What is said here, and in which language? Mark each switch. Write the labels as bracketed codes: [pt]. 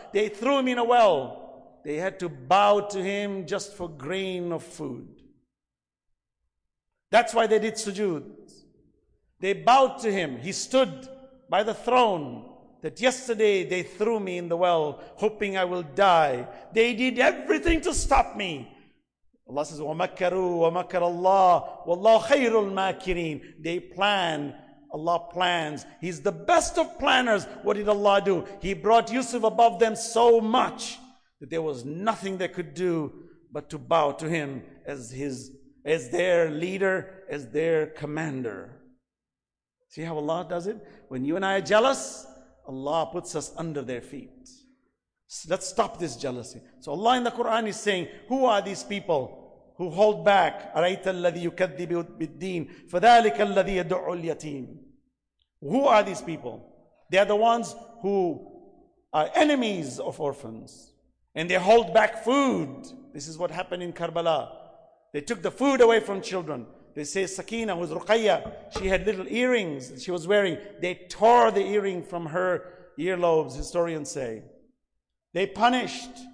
[en] They threw him in a well. They had to bow to him just for grain of food. That's why they did sujood. They bowed to him. He stood by the throne. That yesterday they threw me in the well, hoping I will die. They did everything to stop me. [ar] Allah says, وَمَكَرُوا وَمَكَرَ اللَّهُ وَاللَّهُ خَيْرُ الْمَاكِرِينَ. [en] They plan. Allah plans. He's the best of planners. What did Allah do? He brought Yusuf above them so much that there was nothing they could do but to bow to him as their leader, as their commander. See how Allah does it? When you and I are jealous, Allah puts us under their feet. So let's stop this jealousy. So Allah in the Quran is saying, who are these people who hold back? [ar] أَرَيْتَ الَّذِي يُكَذِّبُ بِالدِّينِ فَذَلِكَ الَّذِي يَدُعُّ الْيَتِيمِ. [en] Who are these people? They are the ones who are enemies of orphans. And they hold back food. This is what happened in Karbala. They took the food away from children. They say Sakina, who is Ruqayya, she had little earrings that she was wearing. They tore the earring from her earlobes, historians say. They punished.